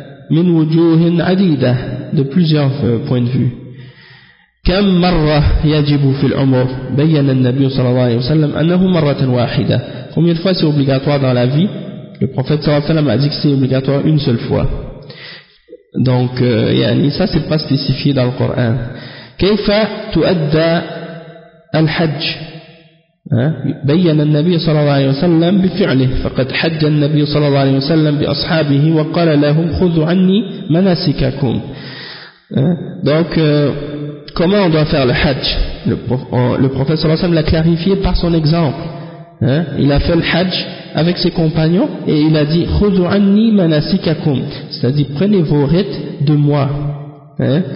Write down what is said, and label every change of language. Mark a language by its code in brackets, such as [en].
[ar] من وجوه عديدة, [fr] de plusieurs points de vue. [ar] كم مرة يجب في العمر, بين النبي صلى الله عليه وسلم أنه مرة واحدة. [fr] Combien de fois c'est obligatoire dans la vie? Le prophète sallallahu alayhi wa sallam a dit que c'est obligatoire une seule fois. Donc, ça c'est pas spécifié dans le Coran. [ar] كيف تؤدى الحج؟ بين النبي صلى الله عليه وسلم بفعله. فقد حج النبي صلى الله عليه وسلم بأصحابه وقال لهم خذوا عني مناسككم. [fr] Donc, comment on doit faire le Hajj? Le prophète sallallahu alayhi wa sallam l'a clarifié par son exemple. Hein? Il a fait le Hajj avec ses compagnons et il a dit [ar] Khudu anni manasikakum, [fr] c'est-à-dire prenez vos rites de moi. Hein?